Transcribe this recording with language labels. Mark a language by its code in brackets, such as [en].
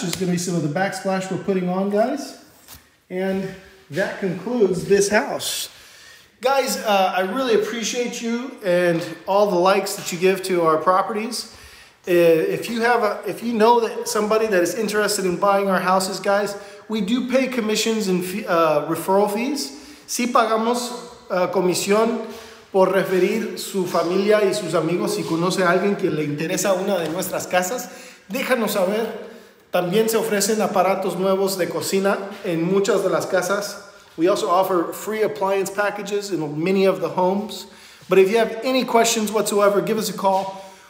[en] There's going to be some of the backsplash we're putting on, guys. And that concludes this house. Guys, I really appreciate you and all the likes that you give to our properties. If you know that somebody that is interested in buying our houses, guys, we do pay commissions and referral fees. [es] Sí pagamos comisión por referir su familia y sus amigos. Si conoce a alguien que le interesa una de nuestras casas, déjanos saber. También se ofrecen aparatos nuevos de cocina en muchas de las casas. [en] We also offer free appliance packages in many of the homes. But if you have any questions whatsoever, give us a call.